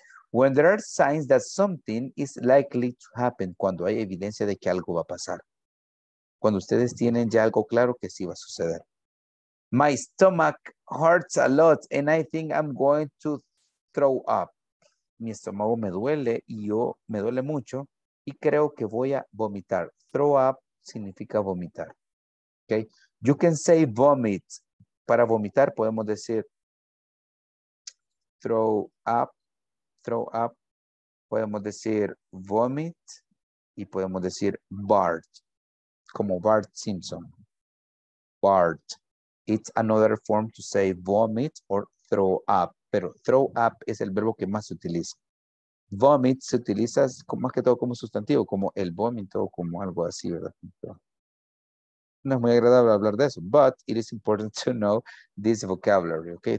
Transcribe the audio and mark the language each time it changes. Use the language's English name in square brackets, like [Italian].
[English] When there are signs that something is likely to happen. [Spanish] Cuando hay evidencia de que algo va a pasar. Cuando ustedes tienen ya algo claro que sí va a suceder. [English] My stomach hurts a lot and I think I'm going to throw up. [Spanish] Mi estómago me duele y yo me duele mucho y creo que voy a vomitar. Throw up significa vomitar. Okay. [English] You can say vomit. [Spanish] Para vomitar podemos decir throw up. Throw up. Podemos decir vomit. Y podemos decir Bart. Como Bart Simpson. Bart. [English] It's another form to say vomit or throw up. [Spanish] Pero throw up es el verbo que más se utiliza. Vomit se utiliza más que todo como sustantivo, como el vómito o como algo así, ¿verdad? No es muy agradable hablar de eso. [English] But it is important to know this vocabulary, okay?